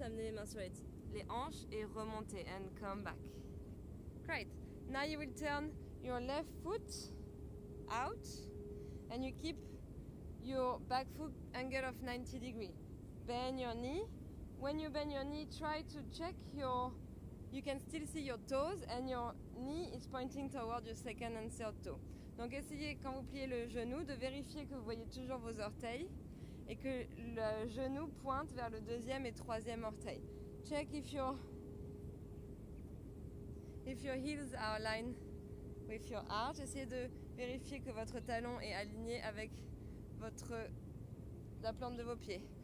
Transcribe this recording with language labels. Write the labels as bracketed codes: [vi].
[fr] Amenez les mains sur les hanches et remontez. [en] And come back. Great. Now you will turn your left foot out and you keep your back foot angle of 90 degrees. Bend your knee. When you bend your knee, try to check your... You can still see your toes and your knee is pointing toward your second and third toe. [fr] Donc essayez, quand vous pliez le genou, de vérifier que vous voyez toujours vos orteils et que le genou pointe vers le deuxième et troisième orteil. [en] Check if your... If your heels are aligned with your arch, [fr] essayez de vérifier que votre talon est aligné avec la plante de vos pieds.